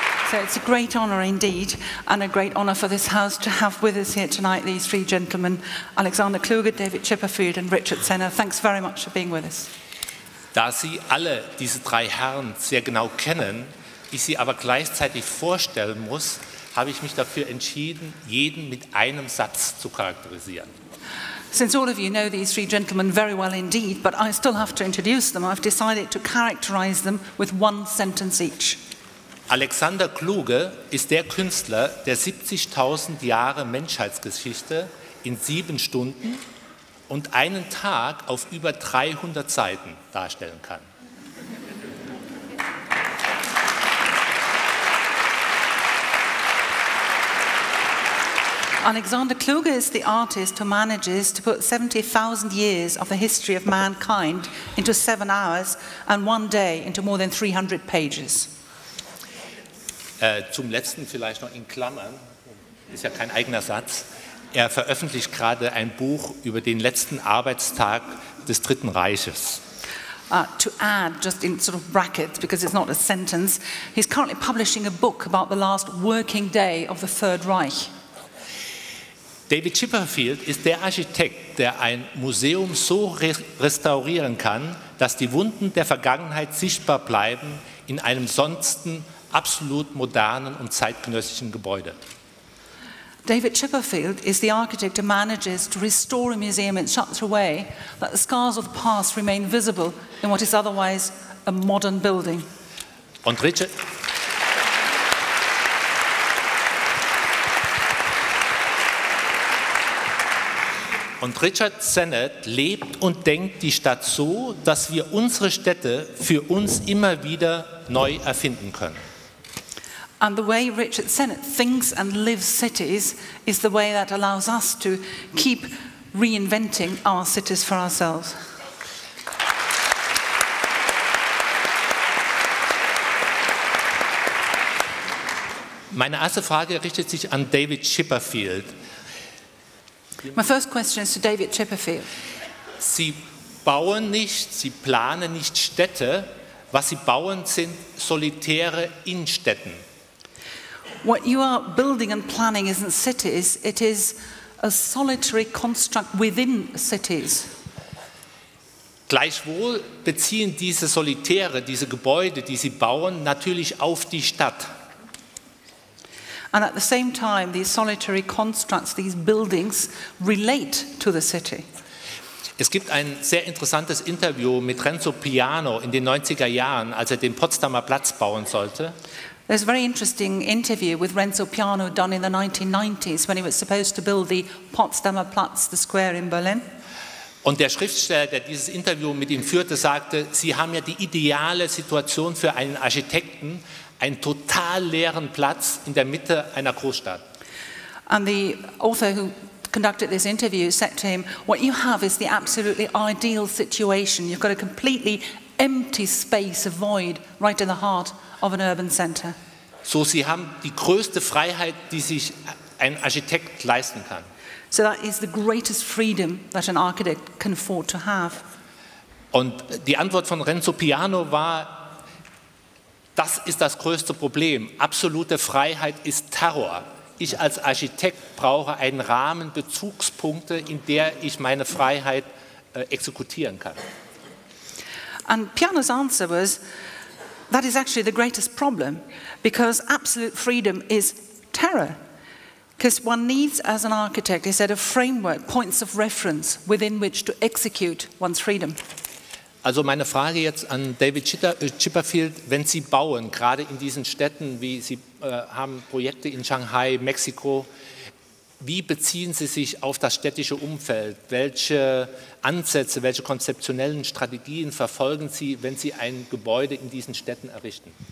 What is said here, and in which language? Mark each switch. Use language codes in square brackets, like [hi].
[en] So it's a great honour indeed, and a great honour for this House to have with us here tonight these three gentlemen, Alexander Kluge, David Chipperfield and Richard Sennett. Thanks very much for being with us. [de] Da Sie alle diese drei Herren sehr genau kennen, ich Sie aber gleichzeitig vorstellen muss, habe ich mich dafür entschieden, jeden mit einem Satz zu charakterisieren. [en] Since all of you know these three gentlemen very well indeed, but I still have to introduce them, I've decided to characterize them with one sentence each. [de] Alexander Kluge ist der Künstler, der 70.000 Jahre Menschheitsgeschichte in 7 Stunden und einen Tag auf über 300 Seiten darstellen kann. [en] Alexander Kluge is the artist who manages to put 70,000 years of the history of mankind into 7 hours and one day into more than 300 pages. [de] Zum letzten vielleicht noch in Klammern, ist ja kein eigener Satz, er veröffentlicht gerade ein Buch über den letzten Arbeitstag des Dritten Reiches. [en] To add, just in sort of brackets, because it's not a sentence, he's currently publishing a book about the last working day of the Third Reich. [de] David Chipperfield ist der Architekt, der ein Museum so restaurieren kann, dass die Wunden der Vergangenheit sichtbar bleiben in einem sonst absolut modernen und zeitgenössischen Gebäude. [en] David Chipperfield is the architect who manages to restore a museum in such a way that the scars of the past remain visible in what is otherwise a modern building. [de] Und Richard. Und Richard Sennett lebt und denkt die Stadt so, dass wir unsere Städte für uns immer wieder neu erfinden können. [en] And the way Richard Sennett thinks and lives cities is the way that allows us to keep reinventing our cities for ourselves. [de] Meine erste Frage richtet sich an David Chipperfield. [en] My first question is to David Chipperfield. [de] Sie bauen nicht, Sie planen nicht Städte. Was Sie bauen, sind solitäre Innenstädten. [en] What you are building and planning isn't cities, it is a solitary construct within cities. [de] Gleichwohl beziehen diese solitäre, diese Gebäude, die Sie bauen, natürlich auf die Stadt. [en] And at the same time, these solitary constructs, these buildings, relate to the city. [de] Es gibt ein sehr interessantes Interview mit Renzo Piano in den 90er Jahren, als den Potsdamer Platz bauen sollte. [en] There's a very interesting interview with Renzo Piano done in the 1990s, when he was supposed to build the Potsdamer Platz, the square in Berlin. [de] Und der Schriftsteller, der dieses Interview mit ihm führte, sagte, Sie haben ja die ideale Situation für einen Architekten, einen total leeren Platz in der Mitte einer Großstadt. [en] And the author who conducted this interview said to him, what you have is the absolutely ideal situation. You've got a completely empty space, a void, right in the heart of an urban center. [de] So Sie haben die größte Freiheit, die sich ein Architekt leisten kann. [en] So that is the greatest freedom that an architect can afford to have. [de] Und die Antwort von Renzo Piano war, das ist das größte Problem. Absolute Freiheit ist Terror. Ich als Architekt brauche einen Rahmen Bezugspunkte, in der ich meine Freiheit exekutieren kann. [en] And Piano's answer was, that is actually the greatest problem, because absolute freedom is terror. Because one needs, as an architect, he said, a framework, points of reference, within which to execute one's freedom. [de] Also meine Frage jetzt an David Chipperfield, wenn Sie bauen, gerade in diesen Städten, wie Sie haben Projekte in Shanghai, Mexiko, wie beziehen Sie sich auf das städtische Umfeld? Welche Ansätze, welche konzeptionellen Strategien verfolgen Sie, wenn Sie ein Gebäude in diesen Städten errichten?